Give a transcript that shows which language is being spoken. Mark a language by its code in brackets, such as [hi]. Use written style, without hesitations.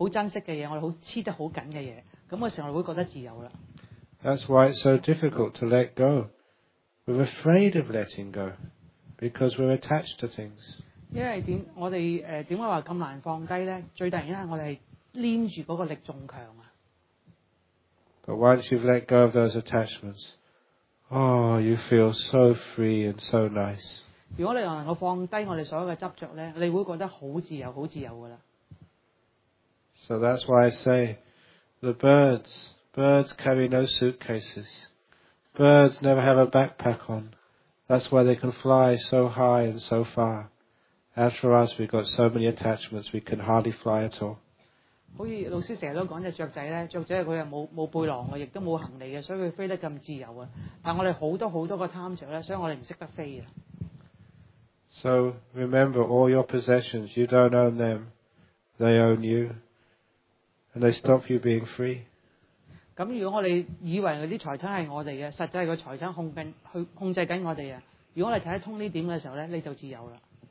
[yue] 好珍惜嘅嘢，我哋好黐得好紧嘅嘢，咁嘅时候我哋会觉得自由啦。 [en] That's why it's so difficult to let go. We're afraid of letting go because we're attached to things. [yue] 因为点我哋点解话咁难放低咧？最大原因系我哋系黏住嗰个力仲强啊。 [en] But once you've let go of those attachments, oh, you feel so free and so nice. [yue] 如果你能够放低我哋所有嘅执着咧，你会觉得好自由，好自由噶啦。 [en] So that's why I say the birds. Birds carry no suitcases. Birds never have a backpack on. That's why they can fly so high and so far. As for us, we've got so many attachments, we can hardly fly at all. [yue] 好似老师成日都讲只雀仔咧，雀仔佢又冇背囊嘅，亦都冇行李嘅，所以佢飞得咁自由啊。但我哋好多好多个贪着咧，所以我哋唔识得飞啊。 [en] So remember all your possessions, you don't own them, they own you, and they stop you being free. [yue] 咁如果我哋以为嗰啲财产系我哋嘅，实际系个财产控制紧我哋啊。如果我哋睇得通呢点嘅时候咧，你就自由啦。